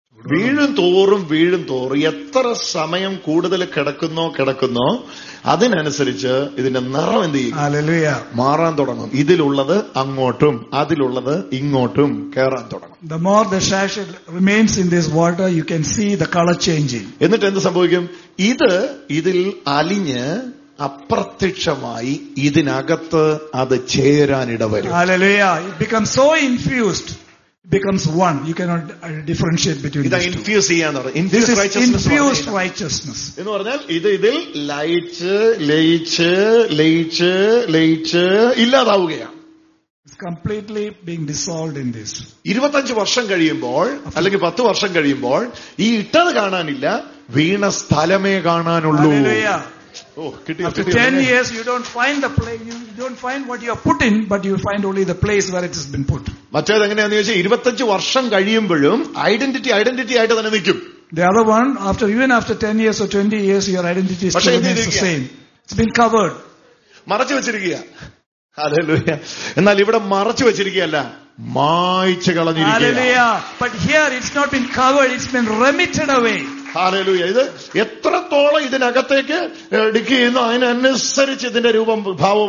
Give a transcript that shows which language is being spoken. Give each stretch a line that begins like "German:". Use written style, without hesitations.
Malayalam: വീഴും തോറും എത്ര സമയം കൂടുതൽ കിടക്കുന്നോ അതിനനുസരിച്ച് ഇതിന്റെ നിറം എന്ത് ചെയ്യും? മാറാൻ തുടങ്ങും. ഇതിലുള്ളത് അങ്ങോട്ടും അതിലുള്ളത് ഇങ്ങോട്ടും കയറാൻ തുടങ്ങും.
English: The more the sachet remains in this water, you can see the color changing.
Malayalam: എന്നിട്ട് എന്ത് സംഭവിക്കും? ഇത് ഇതിൽ അലിഞ്ഞ് അപ്രത്യക്ഷമായി ഇതിനകത്ത് അത് ചേരാനിട വരും.
English: Hallelujah. It becomes so infused. Becomes one. You cannot differentiate between these two. This is infused righteousness.
Malayalam: എന്ന് പറഞ്ഞാൽ ഇത് ഇതിൽ ലയിച്ച് ലയിച്ച് ലയിച്ച് ലയിച്ച് ഇല്ലാതാവുകയാണ്.
English: Completely being dissolved in this.
Malayalam: 25 വർഷം കഴിയുമ്പോൾ അല്ലെങ്കിൽ 10 വർഷം കഴിയുമ്പോൾ ഈ ഇട്ടത് കാണാനില്ല, വീണ സ്ഥലമേ കാണാനുള്ളൂ.
English: Hallelujah. After 10 years you don't find the place, you don't find what you have put in, but you find only the place where it has been put.
Malayalam: മറ്റേ എങ്ങനെയാണെന്ന് ചോദിച്ചാൽ 25 വർഷം കഴിയുമ്പോഴും ഐഡന്റിറ്റി ആയിട്ട് തന്നെ നിൽക്കും.
English: The other one, after 10 years or 20 years your identity is still the same. It's been covered.
Malayalam: മറച്ചു വെച്ചിരിക്കുക. Hallelujah. എന്നാൽ ഇവിടെ മറച്ചു വെച്ചിരിക്കുകയല്ല, മായ്ച്ചു കളഞ്ഞിരിക്കുകയാണ്.
English: Hallelujah. But here it's not been covered, it's been remitted away.
Malayalam: Hallelujah. ഇത് എത്രത്തോളം ഇതിനകത്തേക്ക് ഡിക്ക് ചെയ്യുന്നു അതിനനുസരിച്ച് ഇതിന്റെ രൂപം ഭാവം